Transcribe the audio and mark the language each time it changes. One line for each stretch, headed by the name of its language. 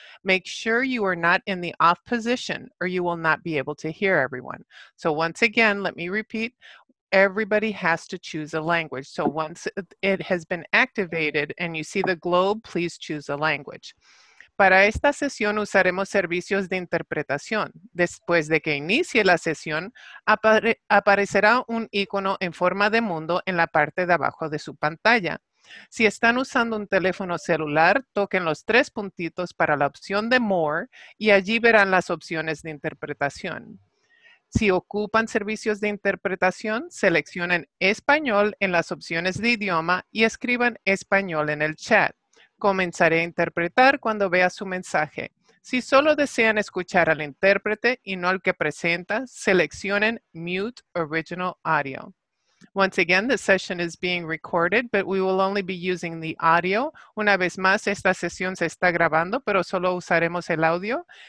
English: Make sure you are not in the off position or you will not be able to hear everyone. So once again, let me repeat, everybody has to choose a language. So once it has been activated and you see the globe, please choose a language.
Spanish: Para esta sesión usaremos servicios de interpretación. Después de que inicie la sesión, aparecerá un icono en forma de mundo en la parte de abajo de su pantalla. Si están usando un teléfono celular, toquen los tres puntitos para la opción de More y allí verán las opciones de interpretación. Si ocupan servicios de interpretación, seleccionen Español en las opciones de idioma y escriban Español en el chat. Comenzaré a interpretar cuando vea su mensaje. Si solo desean escuchar al intérprete y no al que presenta, seleccionen Mute Original Audio.
English: Once again, the session is being recorded, but we will only be using the audio.
Spanish: Una vez más, esta sesión se está grabando, pero solo usaremos el audio.